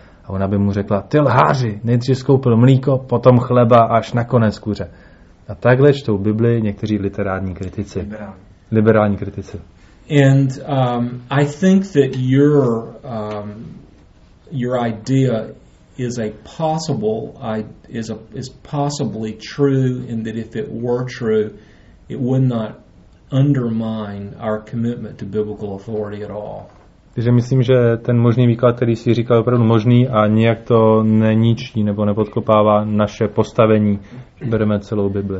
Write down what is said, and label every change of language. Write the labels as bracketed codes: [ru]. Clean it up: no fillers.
[cs] A ona by mu řekla, ty lháři, nejdřív skoupil mlíko, potom chleba, až nakonec kuře. A takhle čtou Bibli někteří literární kritici. Liberální kritici. [en] And I think that your idea is possibly true, and that if it were true, it would not undermine our commitment to biblical authority at all. [cs] Takže myslím, že ten možný výklad, který si říkal, je opravdu možný a nijak to neničí nebo nepodkopává naše postavení, že bereme celou Bibli.